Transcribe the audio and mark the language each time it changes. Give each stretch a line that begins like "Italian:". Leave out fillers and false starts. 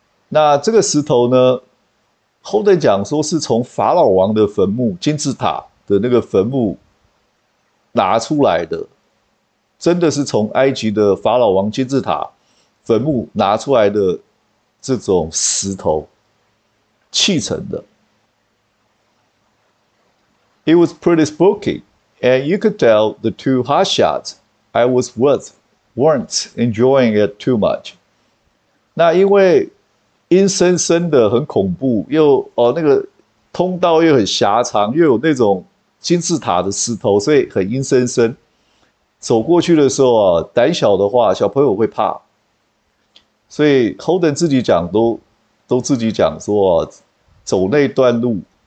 Chinese: 那这个石头呢，后面讲说是从法老王的坟墓金字塔的那个坟墓拿出来的，真的是从埃及的法老王金字塔坟墓拿出来的这种石头砌成的。
English: It was pretty spooky, and you could tell the two hotshots I was with weren't enjoying it too much.
Chinese: 那因为阴森森的，很恐怖，又那个通道又很狭长，又有那种金字塔的石头，所以很阴森森。走过去的时候啊，胆小的话，小朋友会怕。所以 Holden 自己讲都自己讲说啊，走那段路。